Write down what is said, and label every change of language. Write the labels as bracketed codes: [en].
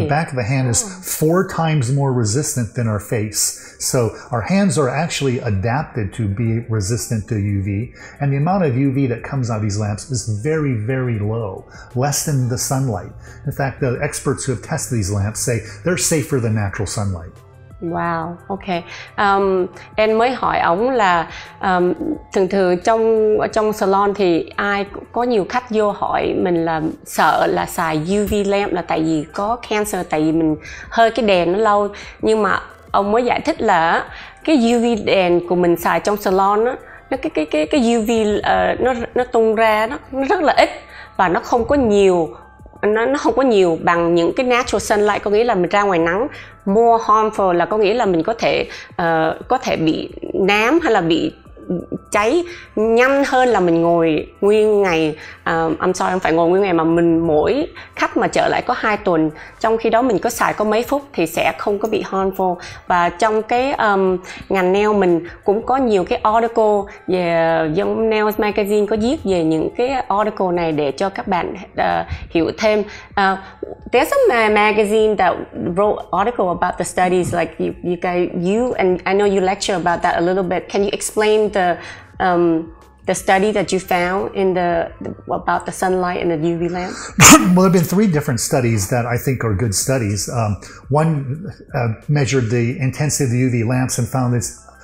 [en] The back of the hand is four times more resistant than our face. So our hands are actually adapted to be resistant to UV. And the amount of UV that comes out of these lamps is very, very low, less than the sunlight. In fact, the experts who have tested these lamps say they're safer than natural sunlight. Wow, okay. [vi] Em mới hỏi ổng là thường thường trong salon thì ai có nhiều khách vô hỏi mình là sợ là xài UV lamp là tại vì có cancer, tại vì mình hơi cái đèn nó lâu. Nhưng mà ông mới giải thích là cái UV đèn của mình xài trong salon á, cái UV nó tung ra nó rất là ít và nó không có nhiều. Nó không có nhiều bằng những cái natural sunlight, có nghĩa là mình ra ngoài nắng, more harmful là có nghĩa là mình có thể bị nám hay là bị cháy nhanh hơn là mình ngồi nguyên ngày. [en] I'm sorry, [vi] không phải ngồi nguyên ngày mà mình mỗi khách mà trở lại có 2 tuần, trong khi đó mình có xài có mấy phút thì sẽ không có bị harmful. Và trong cái ngành nail mình cũng có nhiều cái article về giống Nails Magazine có viết về những cái article này để cho các bạn hiểu thêm. [en] There's a magazine that wrote article about the studies, like you and I know you lecture about that a little bit. Can you explain the study that you found in about the sunlight and the UV lamps? Well, there have been 3 different studies that I think are good studies. One measured the intensity of the UV lamps and found it's